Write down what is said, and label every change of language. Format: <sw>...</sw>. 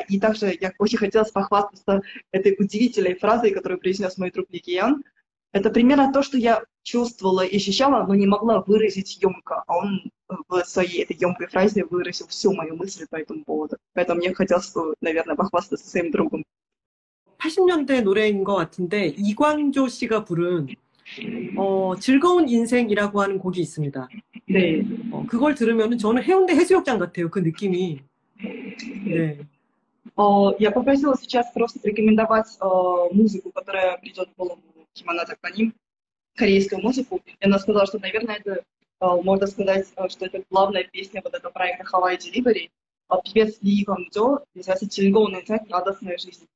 <ru>И также я очень хотела похвастаться этой удивительной фразой, которую произнес мой друг Ли Кейон. Это примерно то, что я чувствовала и ощущала, но не могла выразить ёмко. А он в своей этой ёмкой фразе выразил всю мою мысль по этому поводу. Поэтому мне хотелось бы, наверное, похвастаться своим другом.</ru> <ko>80년대 노래인 것 같은데 이광조 씨가 부른 즐거운 인생이라고 하는 곡이 있습니다. 네. 그걸 들으면 저는 해운대 해수욕장 같아요. 그 느낌이. 네.</ko> <ru>Я попросила сейчас просто порекомендовать музыку, которая придет в голову Кимона Цапканим, корейскую музыку. И она сказала, что, наверное, это можно сказать, что это главная песня вот этого проекта Hawaii Delivery. Певец Ли Гонджо, называется «Чингоуна Цак, радостная жизнь».</ru>